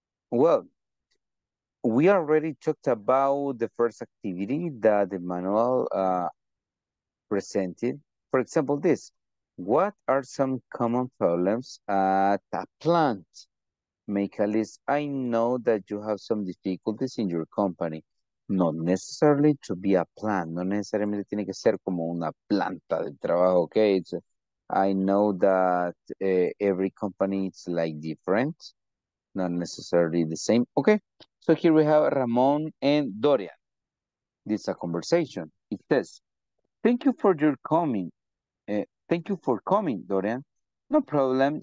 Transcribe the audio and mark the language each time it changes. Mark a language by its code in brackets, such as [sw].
[en] Well, we already talked about the first activity that the manual presented. For example, this. What are some common problems at a plant? Make a list. I know that you have some difficulties in your company. Not necessarily to be a plant. [es] No necesariamente tiene que ser como una planta de trabajo, okay? [en] It's, I know that every company is like different. Not necessarily the same, okay? So here we have Ramon and Dorian. This is a conversation. It says, thank you for your coming. Thank you for coming, Dorian. No problem.